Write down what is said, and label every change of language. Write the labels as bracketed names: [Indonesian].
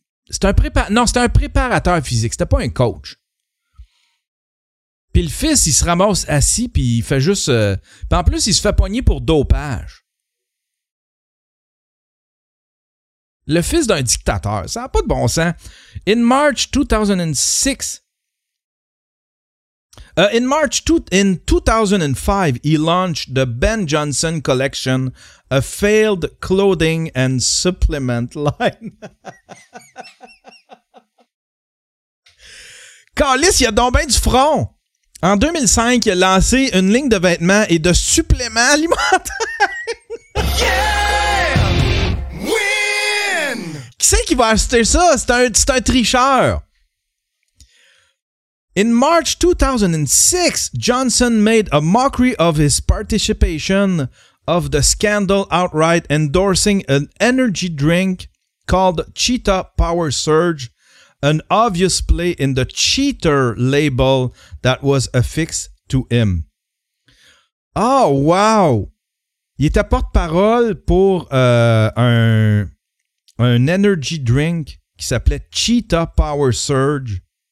[French] C'est un préparateur physique, c'était pas un coach. Puis le fils, il se ramasse assis, puis il fait juste... Puis en plus, il se fait pogner pour dopage. Le fils d'un dictateur, ça n'a pas de bon sens. [English] In March 2006... In 2005, he launched the Ben Johnson Collection, a failed clothing and supplement line. [French] Calice, il y a donc ben du front! En 2005, il a lancé une ligne de vêtements et de suppléments alimentaires. [English] Yeah! Win! [French] Qui c'est qui va acheter ça? C'est un tricheur. [English] In March 2006, Johnson made a mockery of his participation of the scandal outright endorsing an energy drink called Cheetah Power Surge. An obvious play in the cheater label that was affixed to him. Oh, wow! [French] Il était porte-parole pour un energy drink qui s'appelait Cheetah Power Surge.